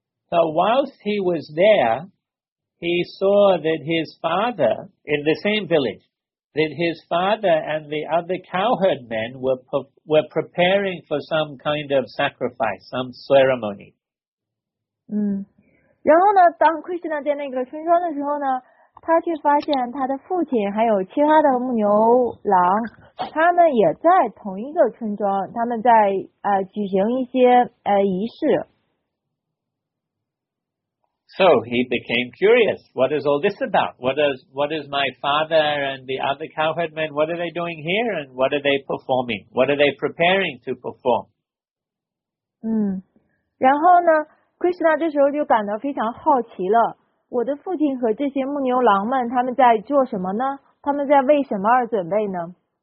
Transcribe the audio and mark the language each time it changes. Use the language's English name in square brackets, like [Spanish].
[English] So whilst he was there, he saw that his father, in the same village, that his father and the other cowherd men were preparing for some kind of sacrifice, some ceremony. [Chinese] 然后呢，当 Krishna 在那个村庄的时候呢，他却发现他的父亲还有其他的牧牛郎，他们也在同一个村庄，他们在举行一些仪式。 [English] So he became curious. What is all this about? What is my father and the other cowherd men? What are they doing here? And what are they performing? What are they preparing to perform? [Chinese] 然后呢 ，Krishna 这时候就感到非常好奇了。我的父亲和这些牧牛郎们，他们在做什么呢？他们在为什么而准备呢